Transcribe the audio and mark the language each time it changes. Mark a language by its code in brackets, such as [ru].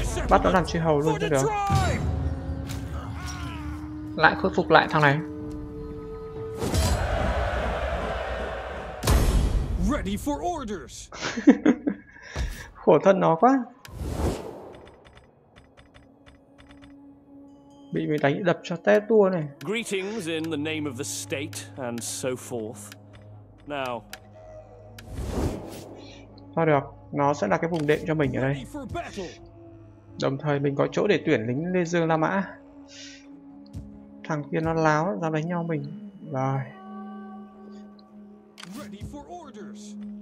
[vi] Bắt nó làm chư hầu luôn cho được. Lại khôi phục lại thằng này. [en] ready for orders. [vi] Khổ thân nó quá. Bị mình đánh đập cho té tua này. [en] Greetings in the name of the state and so forth. Now. [vi] Thôi được, nó sẽ là cái vùng đệm cho mình ở đây. Đồng thời mình có chỗ để tuyển lính Dương La Mã. Thằng kia nó láo, dám đánh nhau mình. Rồi. [en] Ready for orders.